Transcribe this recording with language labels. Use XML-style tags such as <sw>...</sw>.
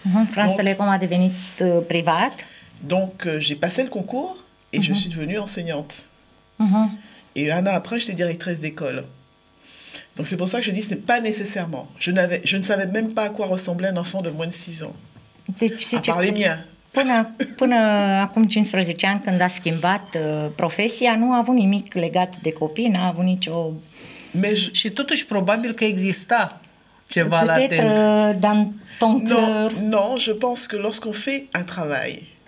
<ro>France Télécom a devenit privat.</ro> <fr>Donc, j'ai passé le concours et je suis devenue enseignante. Et un an après, j'étais directrice d'école. Donc, c'est pour ça que je dis, c'est pas nécessairement. Je ne savais même pas à quoi ressemblait un enfant de moins de 6 ans. À part les miens.</fr> <ro>Până acum 15 ani, când a schimbat profesia, nu a avut nimic legat de copii, n-a avut nicio... Și totuși, probabil că exista ceva la tine.</ro> <fr>Peut-être dans ton cœur. Non, je pense que lorsqu'on fait un travail,</fr>